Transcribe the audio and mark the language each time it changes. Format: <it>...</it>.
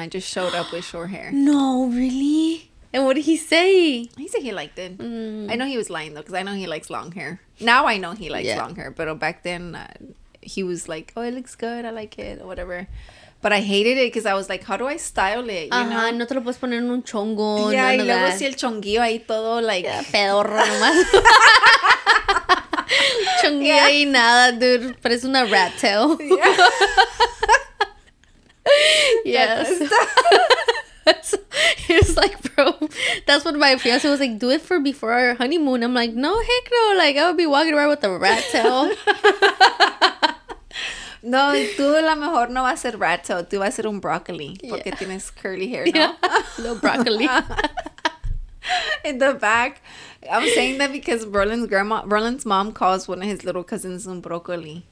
<en>I just showed up with short hair. No, really? And what did he say? He said he liked it. Mm. I know he was lying though, because I know he likes long hair. Now I know he likes long hair, but back then he was like, oh, it looks good. I like it or whatever. But I hated it because I was like, how do I style it? You know?</en> <es>No te lo puedes poner en un chongo. Yeah, y luego si el chonguillo ahí todo, like...</es> <en>Yeah,</en> <es>pedorra nomás. Chonguillo ahí nada, dude. Parece una</es> <en>rat tail. Yes. He was like, bro, that's what my fiance was like, do it for before our honeymoon. I'm like, no, heck no. Like, I would be walking around with a rat tail.</en> <es>No, tú a lo mejor no vas a ser rato, tú vas a ser un broccoli, porque tienes</es> <en>curly hair,</en> <es>¿no?</es> <en>Yeah. Little broccoli. In the back, I'm saying that because Roland's mom calls one of his little cousins un broccoli.</en>